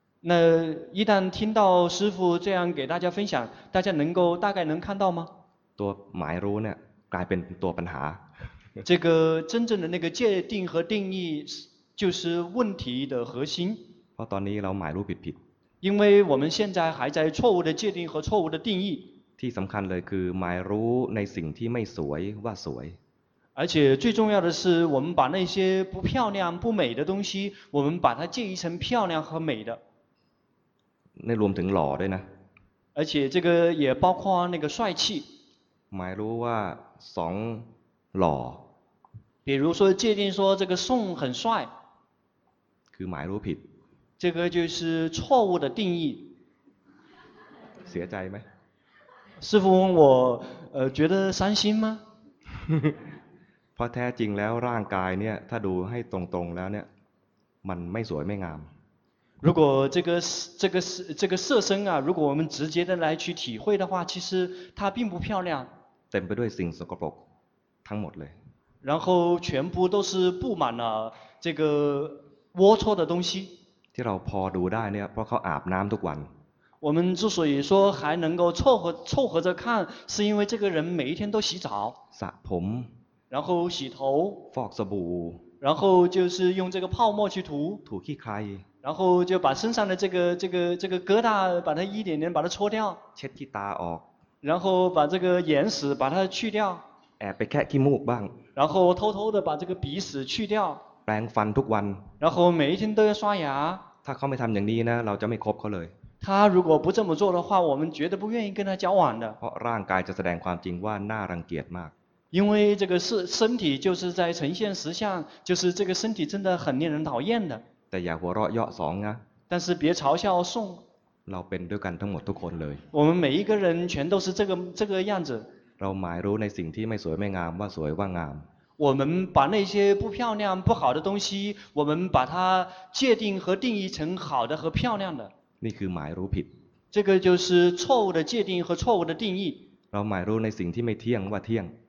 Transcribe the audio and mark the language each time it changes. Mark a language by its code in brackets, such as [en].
[zh] 那一旦听到师父这样给大家分享，大家能够大概能看到吗？ [th] ตัวหมายรู้เนี่ยกลายเป็นตัวปัญหา。 [zh] 这个真正的那个界定和定义就是问题的核心。 [th] เพราะตอนนี้เราหมายรู้ผิด。 [zh] 因为我们现在还在错误的界定和错误的定义。 [th] ที่สำคัญเลยคือหมายรู้ในสิ่งที่ไม่สวยว่าสวย [zh] 而且最重要的是我们把那些不漂亮不美的东西我们把它借一层漂亮和美的 [th] ในรวมถึงหล่อด้วยนะ [zh] 而且这个也包括那个帅气 [th] หมายรู้ว่าสองหล่อ [zh] 比如说界定说这个宋很帅 [th] คือหมายรู้ผิด [zh] 这个就是错误的定义 [th] เสียใจไหม [zh] 师父问我觉得伤心吗 [th] เพราะแท้จริงแล้วร่างกายเนี่ยถ้าดูให้ตรงๆแล้วเนี่ยมันไม่สวยไม่งาม [zh] 如果这个色身啊如果我们直接的来去体会的话其实它并不漂亮 [th] เต็มไปด้วยสิ่งสกปรกทั้งหมดเลย [zh] 然后全部都是布满了这个龌龊的东西 [th] ที่เราพอดูได้เนี่ยเพราะเขาอาบน้ำทุกวัน [zh] 我们之所以说还能够凑合着看，是因为这个人每一天都洗澡， [th] สระผม， [zh] 然后洗头， [th] ฟอกสบู่， [zh] 然后就是用这个泡沫去涂， [th] ถูขี้ใคร， [zh] 然后就把身上的这个疙瘩，把它一点点把它搓掉， [th] เช็ดขี้ตาออก， [zh] 然后把这个眼屎把它去掉， [th] แอบไปแคะขี้มูกบ้าง， [zh] 然后偷偷的把这个鼻屎去掉， [th] แปรงฟันทุกวัน， [zh] 然后每一天都要刷牙， [th] ถ้าเขาไม่ทำอย่างนี้นะเราจะไม่คบเขาเลย [zh] 他如果不这么做的话我们绝对不愿意跟他交往的 [th] เพราะร่างกายจะแสดงความจริงว่าน่ารังเกียจมาก [zh] 因为这个身体就是在呈现实相就是这个身体真的很令人讨厌的 [th] แต่อย่าหัวเราะเยาะสองนะ [zh] 但是别嘲笑宋 [th] เราเป็นด้วยกันทั้งหมดทุกคนเลย [zh] 我们每一个人全都是这个样子 [th] เราหมายรู้ในสิ่งที่ไม่สวยไม่งามว่าสวยว่างาม [zh] 我们把那些不漂亮不好的东西我们把它界定和定义成好的和漂亮的 [th] นี่คือหมายรู้ผิด [zh] 这个就是错误的界定和错误的定义 [th] เราหมายรู้ในสิ่งที่ไม่เที่ยงว่าเที่ยง